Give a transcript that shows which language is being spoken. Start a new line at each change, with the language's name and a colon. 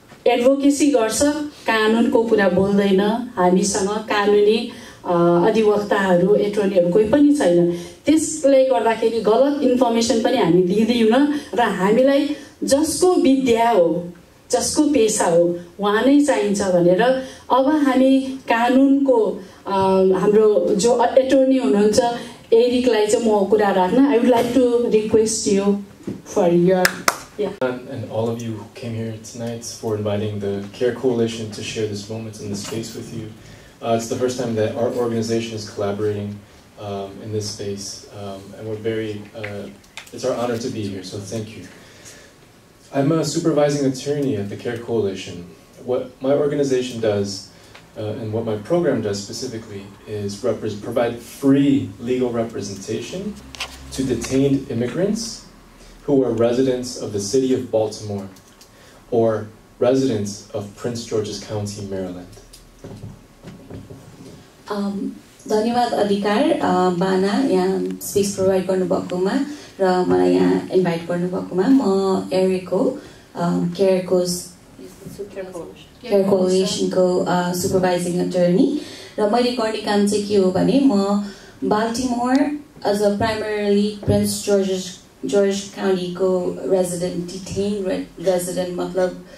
Nepali: Advocacy गर्छ कानुनको कुरा बोल्दैन हामीसँग कानुनी अधिवक्ताहरू एटर्नीहरू कोही पनि छैन त्यसले गर्दाखेरि गलत इन्फर्मेसन पनि हामी दिँदैनौँ र हामीलाई जसको विद्या हो जसको पेसा हो उहाँ नै चाहिन्छ भनेर अब हामी कानुनको हाम्रो जो एटर्नी हुनुहुन्छ एरिकलाई चाहिँ म कुरा राख्न
English: I would like to request you for your And all of you who came here tonight for inviting the Care Coalition to share this moment and this space with you. It's the first time that our organization is collaborating in this space, and we're very, it's our honor to be here, so thank you. I'm a supervising attorney at the Care Coalition. What my organization does, and what my program does specifically, is provide free legal representation to detained immigrants who are residents of the city of Baltimore, or residents of Prince George's County, Maryland.
Nepali: धन्यवाद अधिकार बाना यहाँ space provide गर्नुभएकोमा र मलाई यहाँ invite गर्नुभएकोमा म एरिकको केयर कोलिसनको सुपरभाइजिङ अटर्नी र मैले गर्ने काम चाहिँ के हो भने म Baltimore as a primarily prince George काउन्टीको resident detain resident मतलब